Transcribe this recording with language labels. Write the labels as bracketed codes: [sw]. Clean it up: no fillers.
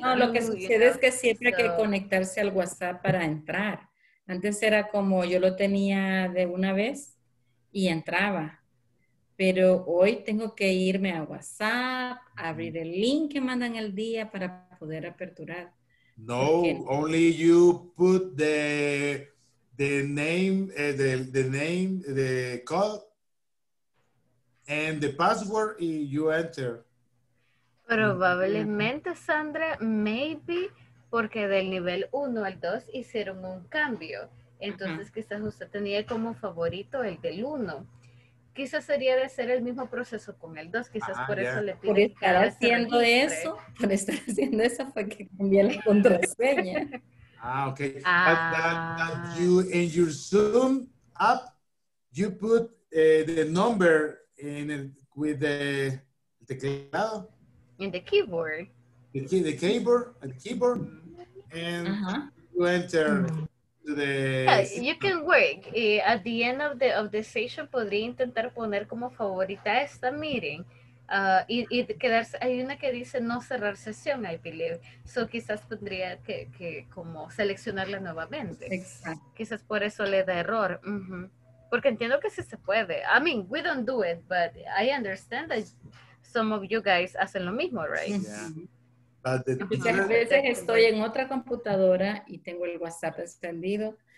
[es] No, lo que sucede es que siempre hay que conectarse al WhatsApp para entrar. Antes era como yo lo tenía de una vez. Y entraba. Pero hoy tengo que irme a WhatsApp, abrir el link que mandan el día para poder aperturar. [en] No, only you put the name, the code, and the password, y you enter. [es] Probablemente, Sandra, maybe porque del nivel 1 al 2 hicieron un cambio. Entonces, uh-huh. quizás usted tenía como favorito el del 1. Quizás sería de hacer el mismo proceso con el 2. Quizás por eso le pide. Por estar haciendo eso, por estar haciendo eso fue que cambié la contraseña. [en] Ah, okay. You in your Zoom app, you put the number in it with the keyboard. In the keyboard. The keyboard, and uh-huh. you enter the. Yeah, you can work at the end of the session. [es] Podría intentar poner como favorita esta meeting. Y quedarse, hay una que dice no cerrar sesión, [en] I believe. [es] So quizás tendría que como seleccionarla nuevamente. Exacto. Quizás por eso le da error. Uh-huh. Porque entiendo que sí se puede. [en] I mean, we don't do it, but I understand that some of you guys [es] hacen lo mismo, [en] right? Yeah. [es] Porque a veces estoy en otra computadora y tengo el WhatsApp encendido.